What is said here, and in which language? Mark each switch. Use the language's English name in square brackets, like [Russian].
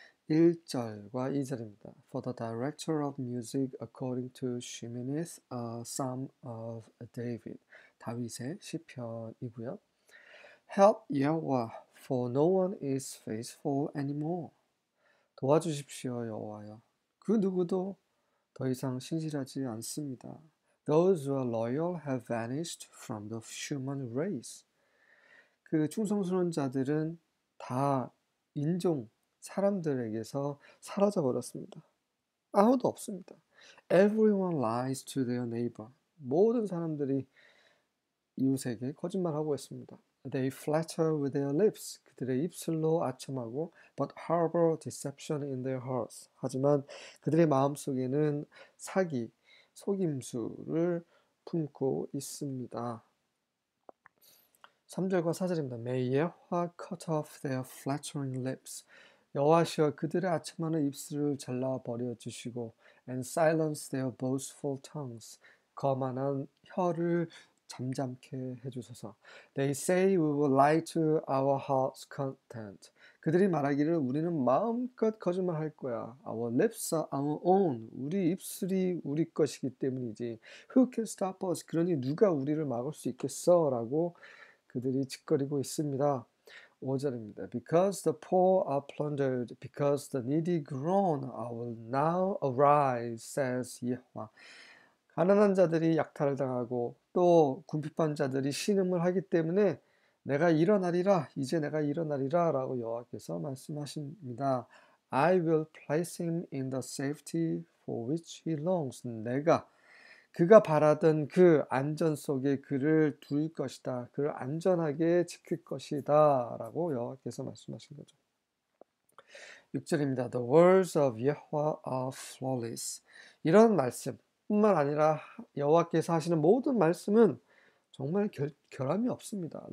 [Korean] 1절과 2절입니다. [English] For the director of music according to Shimini's a Psalm of David. [Korean] 다윗의 시편이고요. [English] Help Yahweh. For no one is faithful anymore. [Korean] 도와주십시오, 여호와여. 그 누구도 더 이상 신실하지 않습니다. [English] Those who are loyal have vanished from the human race. [Korean] 그 충성스러운 자들은 다 인종, 사람들에게서 사라져 버렸습니다. 아무도 없습니다. [English] Everyone lies to their neighbor. [Korean] 모든 사람들이 이웃에게 거짓말하고 있습니다. [English] They flatter with their lips. [Korean] 그들의 입술로 아첨하고, [English] but harbor deception in their hearts. [Korean] 하지만 그들의 마음속에는 사기, 속임수를 품고 있습니다. 3절과 4절입니다. [English] May Yahweh cut off their flattering lips. [Korean] 여호와시여 그들의 아첨하는 입술을 잘라버려 주시고, [English] and silence their boastful tongues. [Korean] 거만한 혀를 잠잠케 해주소서. [English] They say we will lie to our heart's content. [Korean] 그들이 말하기를 우리는 마음껏 거짓말할 거야. [English] Our lips are our own. [Korean] 우리 입술이 우리 것이기 때문이지. [English] Who can stop us? [Korean] 그러니 누가 우리를 막을 수 있겠어? 라고 그들이 짓거리고 있습니다. 5절입니다. [English] Because the poor are plundered, because the needy groan, I will now arise, says Yahweh. [Korean] 가난한 자들이 약탈을 당하고 또 궁핍한 자들이 신음을 하기 때문에 내가 일어나리라, 이제 내가 일어나리라 라고 여호와께서 말씀하십니다. [English] I will place him in the safety for which he longs. [Korean] 내가 그가 바라던 그 안전 속에 그를 둘 것이다. 그를 안전하게 지킬 것이다 라고 여호와께서 말씀하신 거죠. 6절입니다. [English] The words of Yahweh are flawless. [Korean] 이런 말씀 뿐만 아니라 여호와께서 하시는 모든 말씀은 정말 결함이 없습니다.